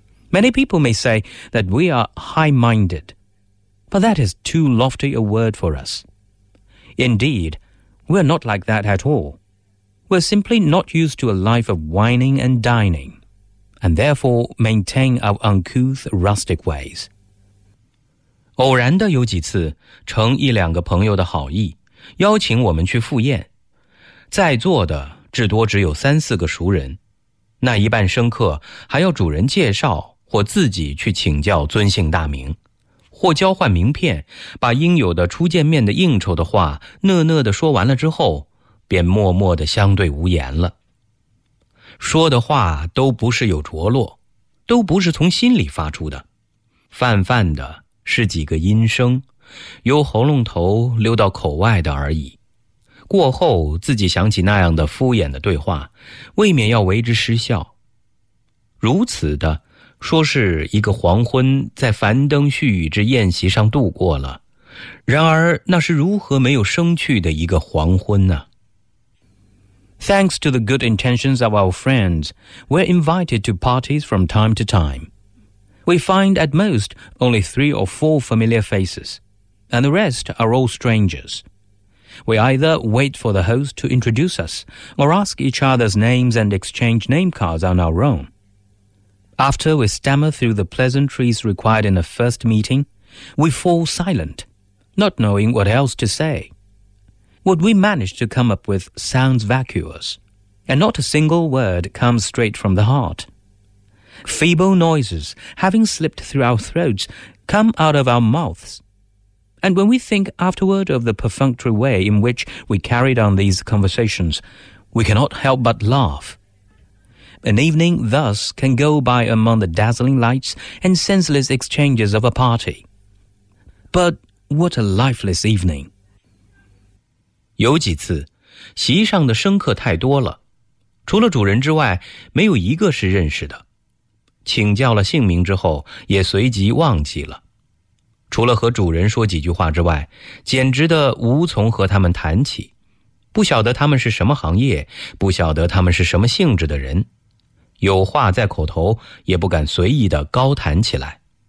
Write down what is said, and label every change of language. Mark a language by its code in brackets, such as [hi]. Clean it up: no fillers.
[en] Many people may say that we are high-minded, but that is too lofty a word for us. Indeed, we're not like that at all. We're simply not used to a life of wining and dining, and therefore maintain our uncouth, rustic ways. [zh] 偶然的有几次，乘一两个朋友的好意，邀请我们去赴宴。在座的至多只有三四个熟人，那一半生客还要主人介绍或自己去请教尊姓大名，或交换名片，把应有的初见面的应酬的话讷讷地说完了之后，便默默地相对无言了。说的话都不是有着落，都不是从心里发出的，泛泛的是几个音声，由喉咙头溜到口外的而已。过后自己想起那样的敷衍的对话，未免要为之失笑。如此的说是一个黄昏在繁灯絮雨之宴席上度过了，然而那是如何没有生趣的一个黄昏呢？ [en] Thanks to the good intentions of our friends, we're invited to parties from time to time. We find at most only three or four familiar faces, and the rest are all strangers. We either wait for the host to introduce us, or ask each other's names and exchange name cards on our own. After we stammer through the pleasantries required in a first meeting, we fall silent, not knowing what else to say. What we manage to come up with sounds vacuous, and not a single word comes straight from the heart. Feeble noises, having slipped through our throats, come out of our mouths. And when we think afterward of the perfunctory way in which we carried on these conversations, we cannot help but laugh. An evening thus can go by among the dazzling lights and senseless exchanges of a party. But what a lifeless evening! [zh] 有几次，席上的生客太多了，除了主人之外，没有一个是认识的。请教了姓名之后，也随即忘记了。除了和主人说几句话之外，简直的无从和他们谈起，不晓得他们是什么行业，不晓得他们是什么性质的人，有话在口头，也不敢随意的高谈起来。